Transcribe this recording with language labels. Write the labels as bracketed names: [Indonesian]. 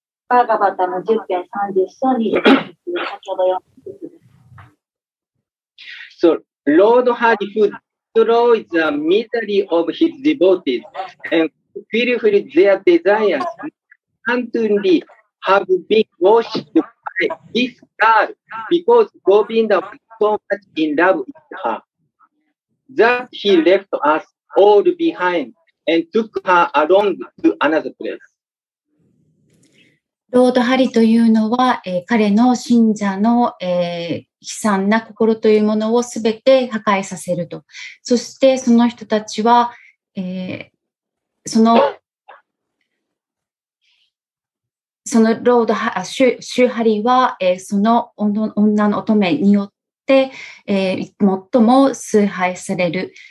[Japanese] バーガバタの10編30章に先ほど読ん [English] だ So, Lord Hari who destroys the misery of his devotees and fulfills their desires constantly have been worshipped by this girl because Govinda was so much in love with her. that he left us all behind and took her along to another place. [Japanese] ロードハリというのは、彼の信者の、悲惨な心というものをすべて破壊させると。そしてその人たちは、そのロードハ、シューハリは、その女の乙女によって、最も崇拝される。